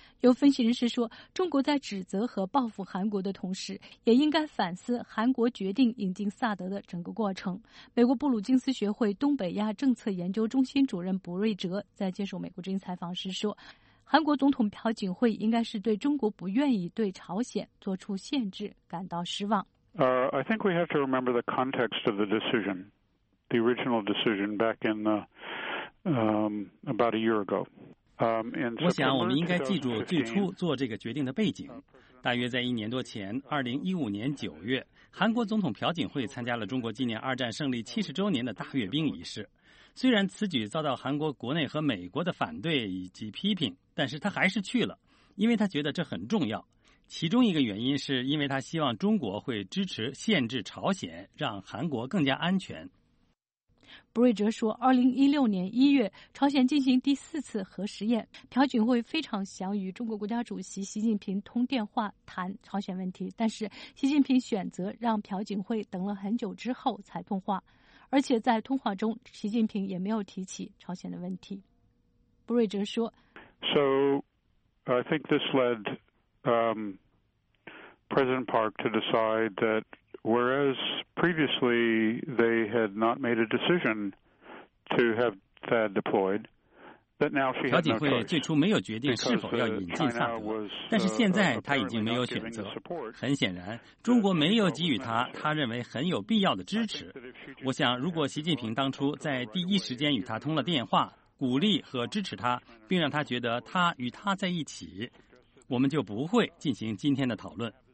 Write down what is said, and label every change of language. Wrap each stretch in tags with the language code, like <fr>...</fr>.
<zh>有分析人士说，中国在指责和报复韩国的同时，也应该反思韩国决定引进萨德的整个过程。美国布鲁金斯学会东北亚政策研究中心主任卜瑞哲在接受美国之音采访时说，韩国总统朴槿惠应该是对中国不愿意对朝鲜做出限制感到失望。</zh> <en>I think we have to remember the context of the decision, the original decision back in the, about a year ago.</en> <zh>我想我们应该记住最初做这个决定的背景。大约在一年多前，2015年9月，韩国总统朴槿惠参加了中国纪念二战胜利70周年的大阅兵仪式。虽然此举遭到韩国国内和美国的反对以及批评，但是他还是去了，因为他觉得这很重要。其中一个原因是因为他希望中国会支持限制朝鲜，让韩国更加安全。布瑞哲说，2016年1月，朝鲜进行第四次核试验，朴槿惠非常想与中国国家主席习近平通电话谈朝鲜问题，但是习近平选择让朴槿惠等了很久之后才通话，而且在通话中，习近平也没有提起朝鲜的问题。布瑞哲说</zh> <en>：“So, I think this led President Park to decide that.” Whereas previously they had not made a decision to have THAAD deployed, that now she has.</en> <zh>朴槿惠最初没有决定是否要引进萨德，但是现在他已经没有选择。很显然，中国没有给予他他认为很有必要的支持。我想，如果习近平当初在第一时间与他通了电话，鼓励和支持他，并让他觉得他与他在一起，我们就不会进行今天的讨论。</zh>